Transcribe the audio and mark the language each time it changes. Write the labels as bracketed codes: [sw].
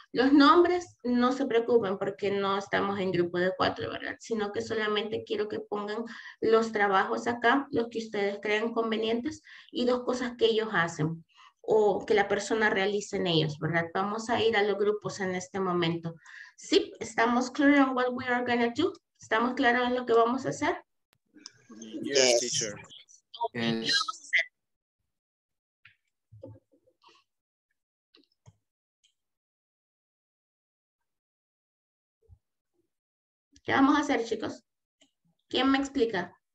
[es] Los nombres, no se preocupen porque no estamos en grupo de cuatro, ¿verdad? Sino que solamente quiero que pongan los trabajos acá, los que ustedes crean convenientes y dos cosas que ellos hacen o que la persona realice en ellos, ¿verdad? Vamos a ir a los grupos en este momento. Sí, estamos [en] clear on what we are going to do. [es] ¿Estamos claros en lo que vamos a hacer? [en] Yes, teacher. [es] ¿Qué vamos a hacer? ¿Qué vamos a hacer, chicos? ¿Quién me explica?